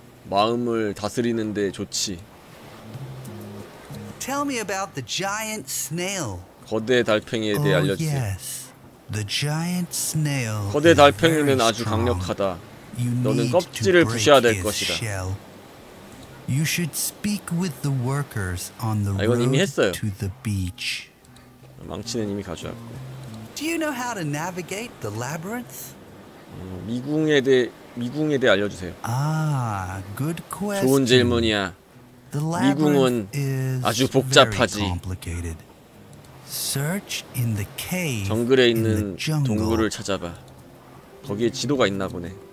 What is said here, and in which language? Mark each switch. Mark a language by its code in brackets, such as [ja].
[ko] 마음을 다스리는데 좋지. [en] Tell me about the giant snail. [ko] 거대 달팽이에 대해 알려주세요. [en] Yes. The giant snail. [ko] 거대 달팽이는 아주 강력하다. 너는 껍질을 부셔야 될 것이다. [en] You should speak with the workers on the road. [ko] 아, 이건 이미 했어요. [en] To the beach. [ko] 망치는 이미 가져왔고. [en] Do you know how to navigate the labyrinth? [ko] 미궁에 대해 알려 주세요. [en] 아, good question. [ko] 좋은 질문이야. 미궁은 아주 복잡하지. [en] Search in the cave. [ko] 정글에 있는 동굴을 찾아봐. 거기에 지도가 있나 보네.